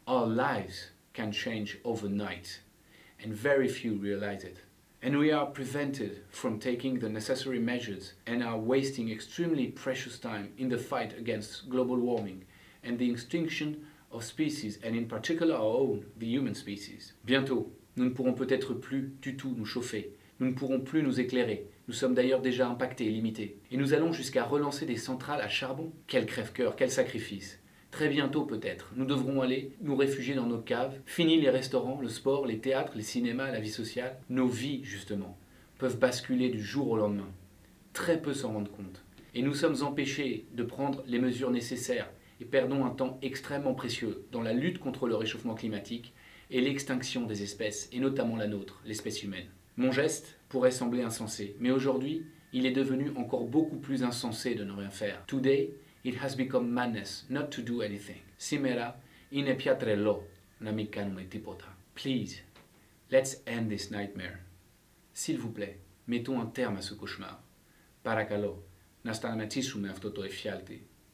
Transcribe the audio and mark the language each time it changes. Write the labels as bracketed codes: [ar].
[en] Our lives can change overnight, and very few realize it. And we are prevented from taking the necessary measures and are wasting extremely precious time in the fight against global warming and the extinction of species, and in particular our own, the human species. [fr] Bientôt, nous ne pourrons peut-être plus du tout nous chauffer. Nous ne pourrons plus nous éclairer. Nous sommes d'ailleurs déjà impactés et limités. Et nous allons jusqu'à relancer des centrales à charbon. Quel crève-cœur, quel sacrifice. Très bientôt peut-être, nous devrons aller nous réfugier dans nos caves. Fini les restaurants, le sport, les théâtres, les cinémas, la vie sociale. Nos vies, justement, peuvent basculer du jour au lendemain. Très peu s'en rendent compte. Et nous sommes empêchés de prendre les mesures nécessaires et perdons un temps extrêmement précieux dans la lutte contre le réchauffement climatique et l'extinction des espèces, et notamment la nôtre, l'espèce humaine. Mon geste pourrait sembler insensé, mais aujourd'hui, il est devenu encore beaucoup plus insensé de ne rien faire. [en] Today, it has become madness not to do anything. [el] Σήμερα, είναι πια τρελό να μην κάνουμε τίποτα. [en] Please, let's end this nightmare. [fr] S'il vous plaît, mettons un terme à ce cauchemar. [el] Παρακαλώ, να σταματήσουμε αυτό το εφιάλτη.